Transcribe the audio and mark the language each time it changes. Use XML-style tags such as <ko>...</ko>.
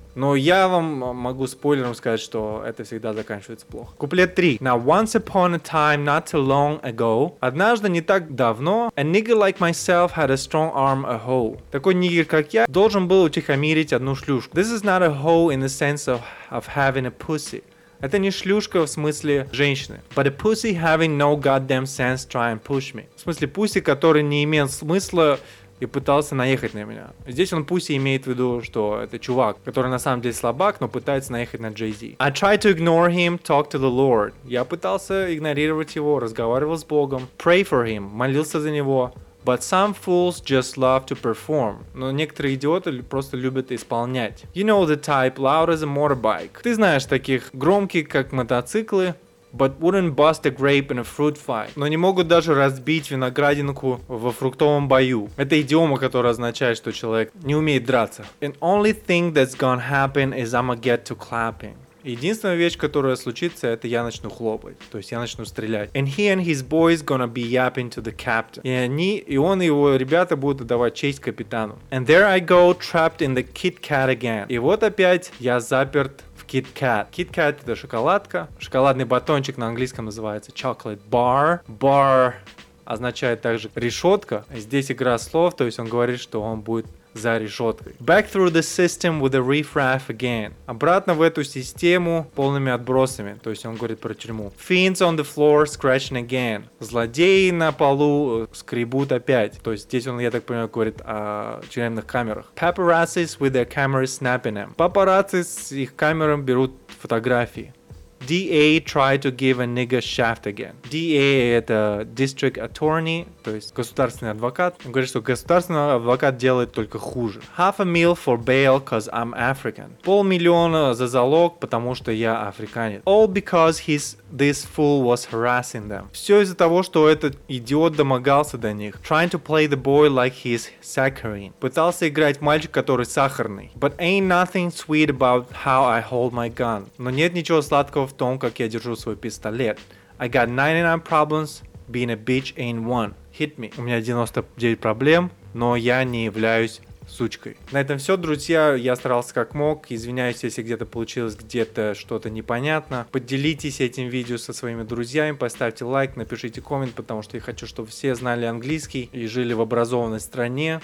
<ru>Но я вам могу спойлером сказать, что это всегда заканчивается плохо. Куплет 3.</ru> <en>Now, once upon on a time not too long ago.</en> <ru>Однажды не так давно,</ru> <en>a nigga like myself had a strong arm a hoe.</en> <ru>Такой нигер, как я, должен был утихомирить одну шлюшку.</ru> <en>This is not a hoe in the sense of having a pussy.</en> <ru>Это не шлюшка в смысле женщины.</ru> <en>But a pussy having no goddamn sense try and push me.</en> <ru>В смысле пусси, который не имел смысла и пытался наехать на меня. Здесь он пусть и имеет в виду, что это чувак, который на самом деле слабак, но пытается наехать на Jay-Z.</ru> <en>I tried to ignore him, talk to the Lord.</en> <ru>Я пытался игнорировать его, разговаривал с Богом.</ru> <en>Pray for him,</en> <ru>молился за него.</ru> <en>But some fools just love to perform.</en> <ru>Но некоторые идиоты просто любят исполнять.</ru> <en>You know the type, loud as a motorbike.</en> <ru>Ты знаешь таких громких, как мотоциклы.</ru> <en>But wouldn't bust a grape in a fruit fight.</en> <ru>Но не могут даже разбить виноградинку во фруктовом бою. Это идиома, которая означает, что человек не умеет драться.</ru> <en>And only thing that's gonna happen is I'ma get to clapping.</en> <ru>Единственная вещь, которая случится, это я начну хлопать. То есть я начну стрелять.</ru> <en>And he and his boys gonna be yapping to the captain.</en> <ru>И они, и он, и его ребята будут отдавать честь капитану.</ru> <en>And there I go, trapped in the Kit Kat again.</en> <ru>И вот опять я заперт. Kit Kat. Kit Kat — это шоколадка. Шоколадный батончик на английском называется chocolate bar. Bar означает также решетка. Здесь игра слов, то есть он говорит, что он будет за решеткой.</ru> <en>Back through the system with a riffraff again.</en> <ru>Обратно в эту систему полными отбросами. То есть он говорит про тюрьму.</ru> <en>Fiends on the floor scratching again.</en> <ru>Злодеи на полу скребут опять. То есть здесь он, я так понимаю, говорит о тюремных камерах.</ru> <en>Paparazzi with their cameras snapping them.</en> <ru>Папарацци с их камерами берут фотографии.</ru> <en>DA tried to give a nigga shaft again.</en> <ru>DA — это district attorney, то есть государственный адвокат. Он говорит, что государственный адвокат делает только хуже.</ru> <en>Half a mil for bail, cause I'm African.</en> <ru>Полмиллиона за залог, потому что я африканец.</ru> <en>All because this fool was harassing them.</en> <ru>Все из-за того, что этот идиот домогался до них.</ru> <en>Trying to play the boy like he's saccharine.</en> <ru>Пытался играть мальчик, который сахарный.</ru> <en>But ain't nothing sweet about how I hold my gun.</en> <ru>Но нет ничего сладкого в том, как я держу свой пистолет.</ru> <en>I got 99 problems, being a bitch ain't one. Hit me.</en> <ru>У меня 99 проблем, но я не являюсь сучкой. На этом все, друзья. Я старался как мог. Извиняюсь, если где-то получилось где-то что-то непонятно. Поделитесь этим видео со своими друзьями, поставьте лайк, напишите коммент, потому что я хочу, чтобы все знали английский и жили в образованной стране.</ru>